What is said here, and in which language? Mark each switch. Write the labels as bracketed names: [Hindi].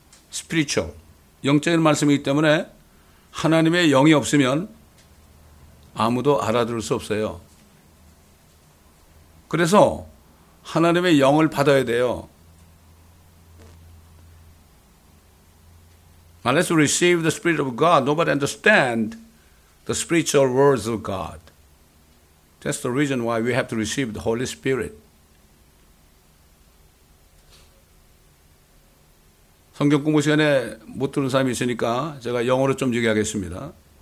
[Korean] 스피리추얼, 영적인 말씀이기 때문에 하나님의 영이 없으면 아무도 알아들을 수 없어요. 그래서 하나님의 영을 받아야 돼요. [English] Unless we receive the Spirit of God, nobody understands the spiritual words of God. That's the reason why we have to receive the Holy Spirit. [Korean] 성경 공부 시간에 못 들은 사람이 있으니까 제가 영어로 좀 얘기하겠습니다.